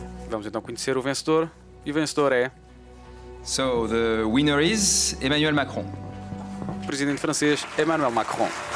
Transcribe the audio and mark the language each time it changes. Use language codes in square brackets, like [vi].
[pt] Vamos então conhecer o vencedor, e o vencedor é... [en] So, the winner is Emmanuel Macron. [pt] Presidente francês Emmanuel Macron.